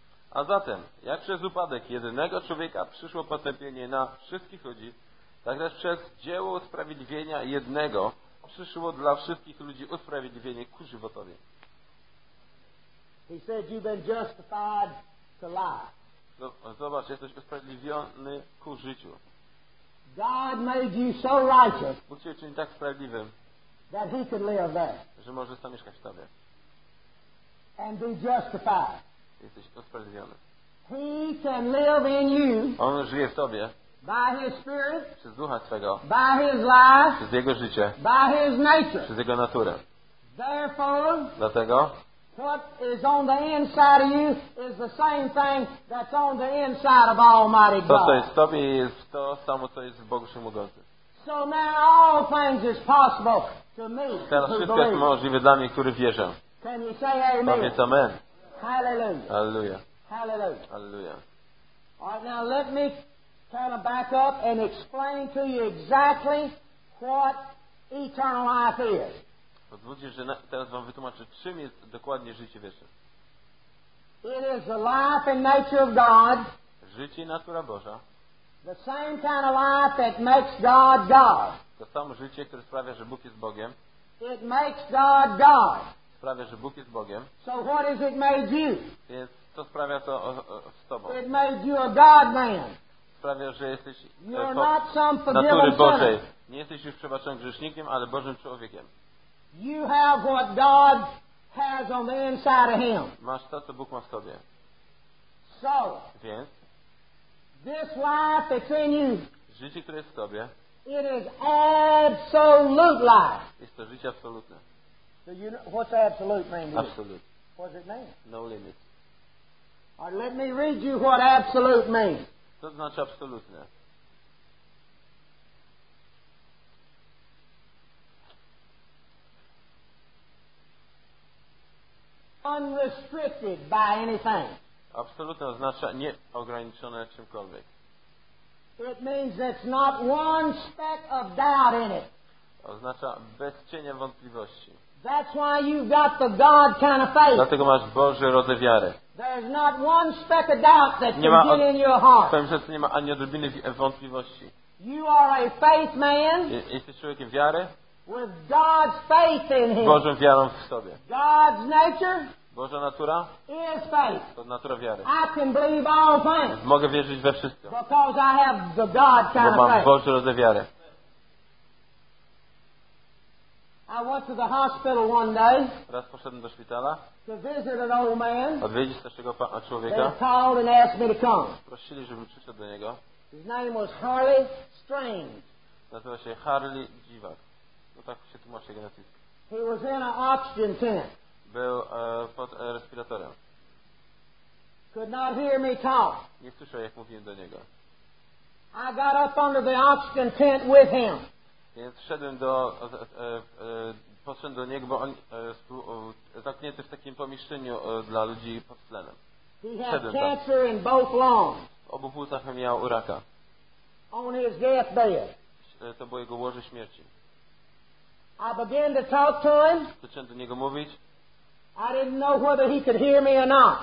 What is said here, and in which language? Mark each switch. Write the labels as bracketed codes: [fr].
[pl] A zatem, jak przez upadek jedynego człowieka przyszło potępienie na wszystkich ludzi, tak też przez dzieło usprawiedliwienia jednego przyszło dla wszystkich ludzi usprawiedliwienie ku żywotowi. [en] He said, you've been justified to life. [pl] Zobacz, jesteś usprawiedliwiony ku życiu. [en] God made you so righteous, [pl] Bóg cię czyni tak sprawiedliwym, [en] that he could live there. [pl] Że może zamieszkać w tobie. [en] And be justified. [pl] Jesteś usprawiedliwiony. [en] He can live in you. [pl] On żyje w tobie. [en] By his spirit, [pl] przez ducha swego, [en] by his life, [pl] przez jego życie, [en] by his nature, [pl] przez jego naturę. [en] Therefore, [pl] dlatego, [en] what is on the inside of you is the same thing that's on the inside of Almighty God. [pl] To, co jest w tobie, jest to samo, co jest w Bogu Wszechmogącym. [en] So now all things is possible to me. [pl] Teraz wszystko jest możliwe dla mnie, który wierzę. [en] Can you say amen? [pl] Powiedz amen. [en] Hallelujah. Hallelujah. Hallelujah. Hallelujah. All right, now let me kind of back up and explain to you exactly what eternal life is. [pl] Pozwólcie, że teraz wam wytłumaczę, czym jest dokładnie życie wieczne. [en] It is the life and nature of God. [pl] Życie i natura Boża. [en] The same kind of life that makes God God. [pl] To samo życie, które sprawia, że Bóg jest Bogiem. [en] It makes God God. [pl] Sprawia, że Bóg jest Bogiem. [en] So what has it made you? [pl] Więc to sprawia to z tobą. [en] It made you a God man. [pl] Sprawia, że jesteś natury Bożej. Nie jesteś już przebaczonym grzesznikiem, ale Bożym człowiekiem. [en] You have what God has on the inside of him. [pl] Masz to, co Bóg ma w sobie. [en] So, [pl] więc [en] this life that's in you, [pl] życie, które jest w tobie, [en] it is absolute life. [pl] Jest to życie absolutne. [en] So you know, what's absolute mean? Absolute. What does it mean? No limit. Or let me read you what absolute means. [pl] Co to znaczy absolutne? [en] Unrestricted by anything. [pl] Absolutne oznacza nieograniczone czymkolwiek. [en] It means there's not one speck of doubt in it. [pl] Oznacza bez cienia wątpliwości. [en] That's why you've got the God kind of faith. [pl] Dlatego masz Boży rodzaj wiary. [en] There's not one speck of doubt that can get in your heart. [pl] W twoim sercu nie ma ani odrobiny wątpliwości. [en] You are a faith man. [pl] Jesteś człowiekiem wiary. [en] With God's faith in him. [pl] Bożą wiarą w sobie. [en] God's nature. [pl] Boża natura. [en] Is faith. [pl] To natura wiary. [en] I can believe all things. [pl] Mogę wierzyć we wszystko. [en] Because I have the God kind of faith. [pl] Bo mam Boży rodzaj wiary. [en] I went to the hospital one day. [pl] Raz poszedłem do szpitala. [en] To visit an old man. [pl] Odwiedzić starszego człowieka. [en] They called and asked me to come. [pl] Prosili, żebym przyszedł do niego. [en] His name was Harley Strange. [pl] Nazywa się Harley Dziwak. No tak się tłumaczy jego nazwisko. [en] He was in an oxygen tent. [pl] Był pod respiratorem. [en] Could not hear me talk. [pl] Nie słyszał, jak mówiłem do niego. [en] I got up under the oxygen tent with him. [pl] Więc wszedłem do poszedłem do niego, bo on zamknięty w takim pomieszczeniu dla ludzi pod tlenem. [en] Wszedłem he had cancer in both lungs. [pl] W obu płucach miał raka. [en] On his deathbed. [pl] To było jego łoże śmierci. [en] I began to talk to him. [pl] Zacząłem do niego mówić. [en] I didn't know whether he could hear me or not.